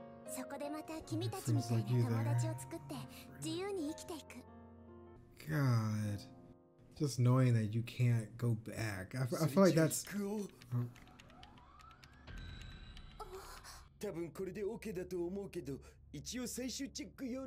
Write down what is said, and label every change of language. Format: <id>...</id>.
<ja>そこでまた君たちみたいな友達を作って自由に生きていく。</ja> <en>God, just knowing that you can't go back, I feel like that's.</en> <ja>多分これでオケだと思うけど、一応最終チェックよろ。</ja>